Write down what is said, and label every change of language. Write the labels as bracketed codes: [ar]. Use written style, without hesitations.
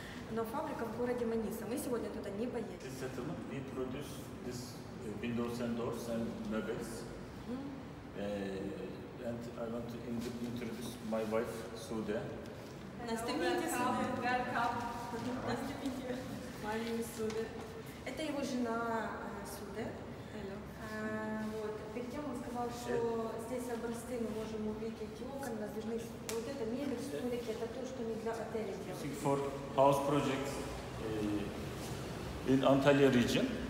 [ru] Но фабрика в городе Маниса. Мы сегодня туда не поедем. [en] We produce this windows and doors and mebels. And I want to introduce my wife, Sude. Nice to meet you, Sude. Welcome. Nice to meet you. My name is Sude. [ru] Это его жена Sude. [en] Hello. [ru] Вот. Перед тем он сказал, что здесь образцы мы можем увидеть окон, раздвижных. Вот это мебель, столики, это то, что не для отеля делают. [en] Think for house project in Antalya region.